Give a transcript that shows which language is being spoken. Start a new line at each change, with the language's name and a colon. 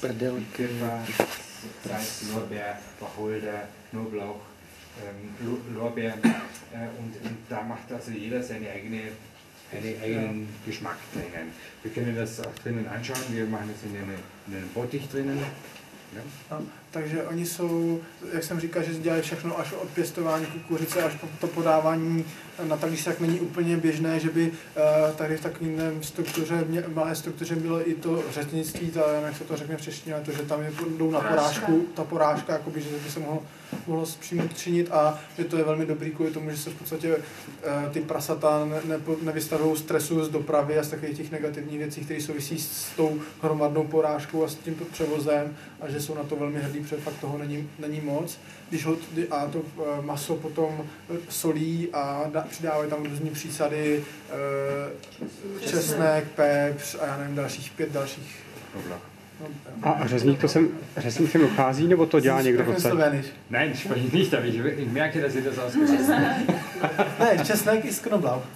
German: Salz, Lorbeer, Wacholder, Knoblauch, Lorbeer. Und da macht also jeder seinen eigenen Geschmack drinnen. Wir können das auch drinnen anschauen. Wir machen das in einem Bottich drinnen. Ja.
Czech: No, takže oni jsou, jak jsem říkal, že dělají všechno až od pěstování kukuřice až po to podávání na talíř, tak není úplně běžné, že by tady v takové malé struktuře bylo i to řetnictví, jak se to řekne v češtině, ale to, že tam je jdou na porážku, ta porážka, jakoby, že by se mohlo přímo činit a že to je velmi dobrý kvůli tomu, že se v podstatě ty prasata nevystavují stresu z dopravy a z takových těch negativních věcí, které souvisí s tou hromadnou porážkou a s tím převozem a že jsou na to velmi hrdý, protože fakt toho není moc. Když to maso potom solí a přidávají tam různý přísady, česnek, pepř a já nevím, pět dalších. A řezník to sem uchází, nebo to dělá někdo v podstatě?
German: Nein, sprechen nicht, aber ich merke, dass ihr das ausgesprochen habt. Nein, Česnek ist Knoblauch.